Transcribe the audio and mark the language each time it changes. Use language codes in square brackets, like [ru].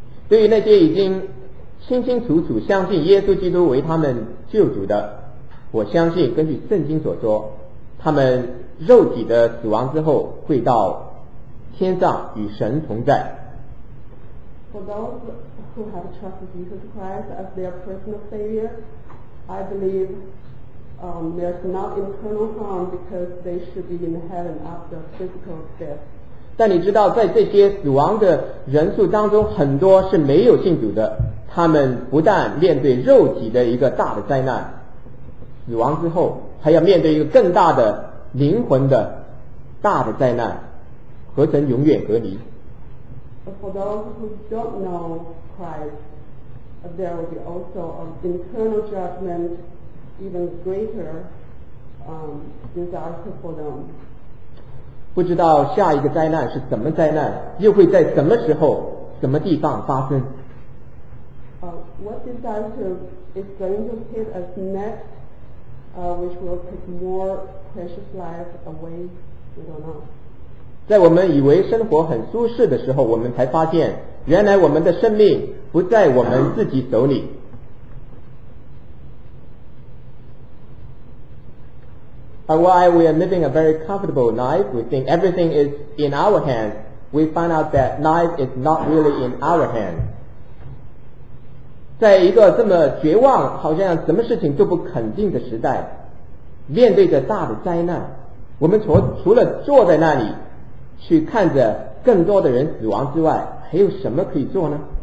[zh] 对于那些已经清清楚楚相信耶稣基督为他们救主的，我相信根据圣经所说，他们肉体的死亡之后会到天上与神同在。 [en] For those who have trusted Jesus Christ as their personal Savior, I believe there's not eternal harm because they should be in heaven after physical death. [zh] 但你知道，在这些死亡的人数当中，很多是没有信主的，他们不但面对肉体的一个大的灾难，死亡之后还要面对一个更大的灵魂的大的灾难，何曾永远隔离？ [en] For those who don't know Christ, there will be also an internal judgment, even greater disaster for them. [zh] 不知道下一个灾难是什么灾难，又会在什么时候、什么地方发生。 [en] What disaster is going to hit us next, which will take more precious lives away, we don't know. [zh] 在我们以为生活很舒适的时候，我们才发现原来我们的生命不在我们自己手里。 [en] While we are living a very comfortable life, we think everything is in our hands, we find out that life is not really in our hands. [zh] 在一个这么绝望，好像什么事情都不肯定的时代，面对着大的灾难，我们除了坐在那里去看着更多的人死亡之外，还有什么可以做呢？